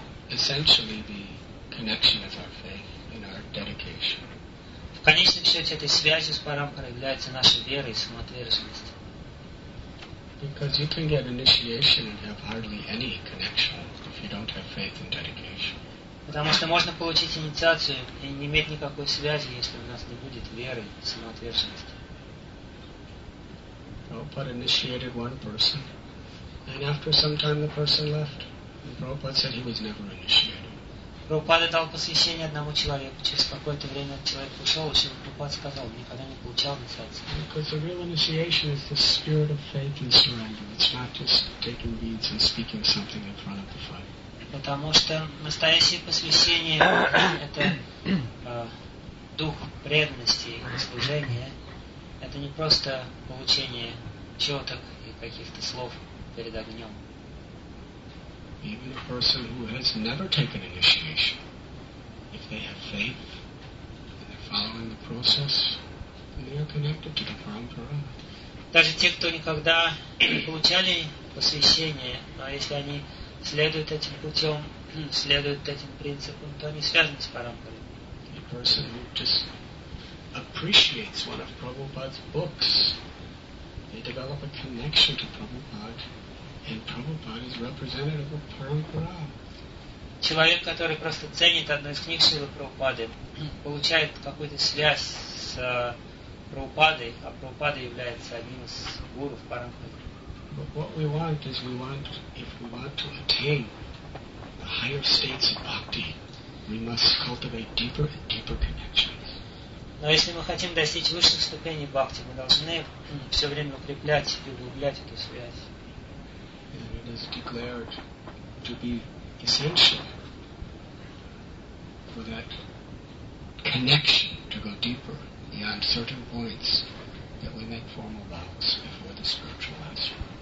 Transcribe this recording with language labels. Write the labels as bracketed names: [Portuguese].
[English] Essentially the connection of our faith and our dedication. [Russian] В конечном счете этой связи с парампарой является наша вера и самоотверженность. [English] Because you can get initiation and have hardly any connection if you don't have faith and dedication. [Russian] Потому что можно получить инициацию и не иметь никакой связи, если у нас не будет веры и самоотверженности. [English] Prabhupada initiated one person and after some time the person left. Prabhupada said he was never initiated. [Russian] Prabhupada дал посвящение одному человеку. Через какое-то время человек ушел, и Прабхупада сказал, никогда не получал инициации. [English] Because the real initiation is the spirit of faith and surrender. It's not just taking beads and speaking something in front of the fire. [Russian] Потому что настоящее посвящение это дух преданности и служения. Это не просто получение четок и каких-то слов перед огнем. [English] Even a person who has never taken initiation, if they have faith and they're following the process, then they are connected to the parampara. [Russian] Даже те, кто никогда не получали посвящение, но если они следуют этим путем, следуют этим принципам, то они связаны с парампарой. [English] A person who just appreciates one of Prabhupada's books, they develop a connection to Prabhupada. And Prabhupada is representative of Parampara. [Russian] Человек, который просто ценит одну из книг Шрилы Прабхупады, получает какую-то связь с Прабхупадой, а Прабхупада является одним из гуров Парампары. [English] But what we want is we want, if we want to attain the higher states of bhakti, we must cultivate deeper and deeper connections. [Russian] Но если мы хотим достичь высших ступеней бхакти, мы должны все время укреплять и углублять эту связь. [English] And it is declared to be essential for that connection to go deeper beyond certain points that we make formal vows before the spiritual master.